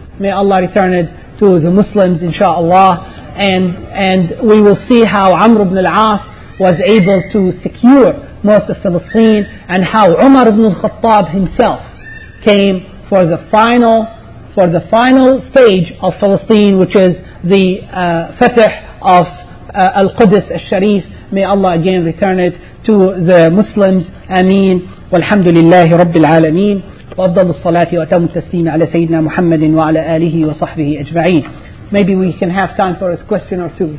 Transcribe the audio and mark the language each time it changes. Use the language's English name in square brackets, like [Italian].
[English] May Allah return it to the Muslims, inshallah. And we will see how Amr ibn al-As was able to secure most of Palestine, and how Umar ibn al-Khattab himself came for the final stage of Palestine, which is the Fatih of Al-Qudus al-Sharif. May Allah again return it to the Muslims. Ameen. Walhamdulillahi Rabbil Alameen. [Arabic] وأفضل الصلاة وأتم التسليم على سيدنا محمد وعلى آله وصحبه أجمعين. [English] Maybe we can have time for a question or two.